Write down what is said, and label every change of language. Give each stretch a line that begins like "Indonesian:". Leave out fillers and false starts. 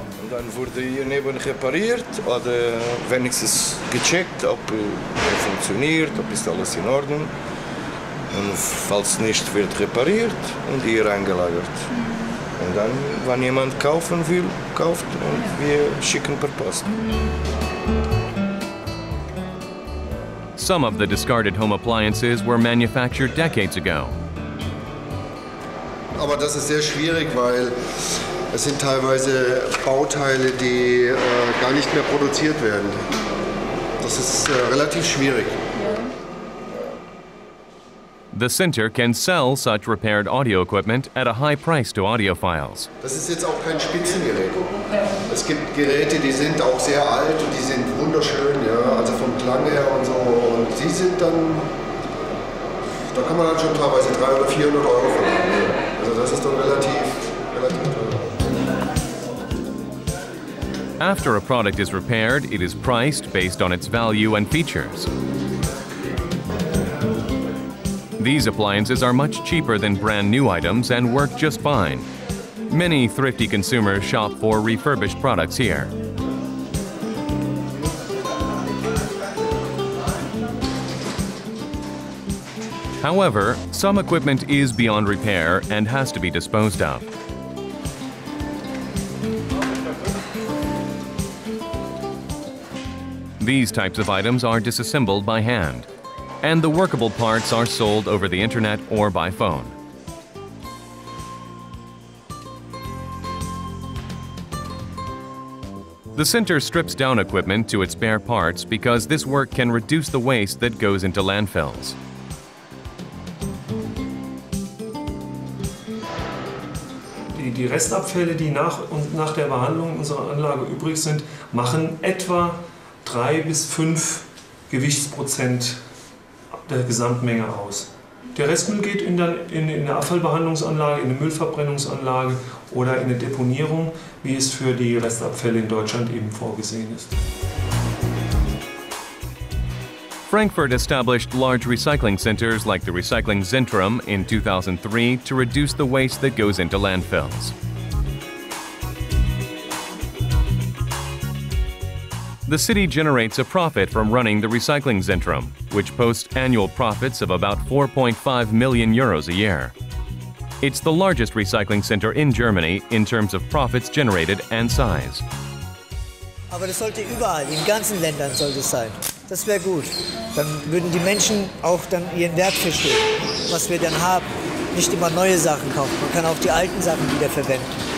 German: Dann wurde hier neben repariert oder wenigstens gecheckt, ob es funktioniert, ob ist alles in Ordnung. Und falls nicht, wird repariert und hier eingelagert. Und dann, wenn jemand kaufen will, kauft und wir schicken per Post.
English: Some of the discarded home appliances were manufactured decades ago.
German: Aber das ist sehr schwierig, weil es sind teilweise Bauteile, die gar nicht mehr produziert werden. Das ist relativ schwierig.
English: The center can sell such repaired audio equipment at a high price to audiophiles.
German: Das ist jetzt auch kein Spitzengerät. Es gibt Geräte, die sind auch sehr alt und die sind wunderschön, ja, also vom Klang her und so. Und die sind dann, da kann man dann schon teilweise 300 oder 400 Euro verlangen. Also das ist dann relativ
English: After a product is repaired, it is priced based on its value and features. These appliances are much cheaper than brand new items and work just fine. Many thrifty consumers shop for refurbished products here. However, some equipment is beyond repair and has to be disposed of. These types of items are disassembled by hand. And the workable parts are sold over the internet or by phone. The center strips down equipment to its bare parts because this work can reduce the waste that goes into landfills.
German: Die Restabfälle, die nach und nach der Behandlung unserer Anlage übrig sind, machen etwa 3 bis 5 Gewichtsprozent der Gesamtmenge aus. Der Restmüll geht in eine Abfallbehandlungsanlage, in eine Müllverbrennungsanlage oder in eine Deponierung, wie es für die Restabfälle in Deutschland eben vorgesehen ist.
English: Frankfurt established large recycling centers like the Recycling Zentrum in 2003 to reduce the waste that goes into landfills. The city generates a profit from running the Recycling Zentrum, which posts annual profits of about 4.5 million euros a year. It's the largest recycling center in Germany in terms of profits generated and size.
German: Aber das sollte überall, in ganzen Ländern sollte sein. Das wäre gut. Dann würden die Menschen auch dann ihren Wert verstehen, was wir dann haben. Nicht immer neue Sachen kaufen, man kann auch die alten Sachen wieder verwenden.